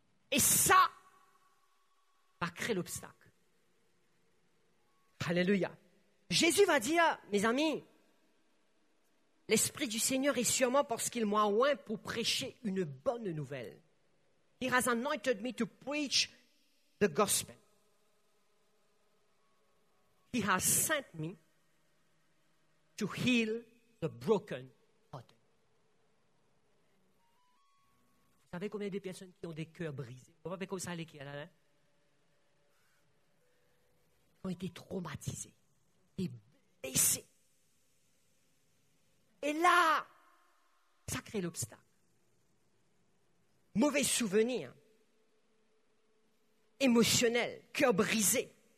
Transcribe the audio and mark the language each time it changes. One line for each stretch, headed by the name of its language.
French: Et ça va créer l'obstacle. Alléluia. Jésus va dire, mes amis, l'Esprit du Seigneur est sur moi parce qu'il m'a oint pour prêcher une bonne nouvelle.
English: He has anointed me to preach the gospel. He has sent me to heal the broken hearted.
French: Vous savez combien de personnes qui ont des cœurs brisés? Vous savez comment ça les cœurs là, hein? Ils ont été traumatisés et blessés. Et là, ça crée l'obstacle. Mauvais souvenir, émotionnel, cœur brisé.